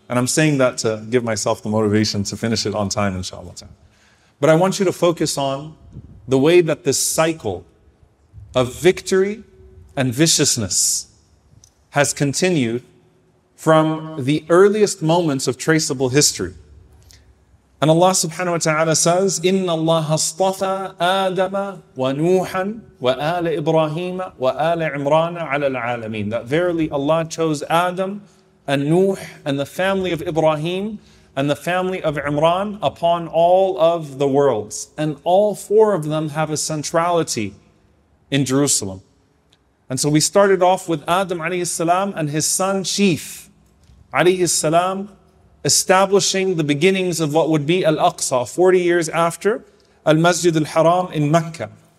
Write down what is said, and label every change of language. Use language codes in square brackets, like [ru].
[en] And I'm saying that to give myself the motivation to finish it on time, inshallah ta'ala. But I want you to focus on the way that this cycle of victory and viciousness has continued from the earliest moments of traceable history. And Allah subhanahu wa ta'ala says, [ar] إِنَّ اللَّهَ اصْطَفَى آدَمَ وَنُوحًا وَآلَ إِبْرَاهِيمَ وَآلَ عِمْرَانَ عَلَى الْعَالَمِينَ. [en] That verily Allah chose Adam and Nuh and the family of Ibrahim and the family of Imran upon all of the worlds. And all four of them have a centrality in Jerusalem. And so we started off with Adam alayhi salam and his son Chief alayhi salam, establishing the beginnings of what would be Al-Aqsa 40 years after Al-Masjid Al-Haram in Mecca.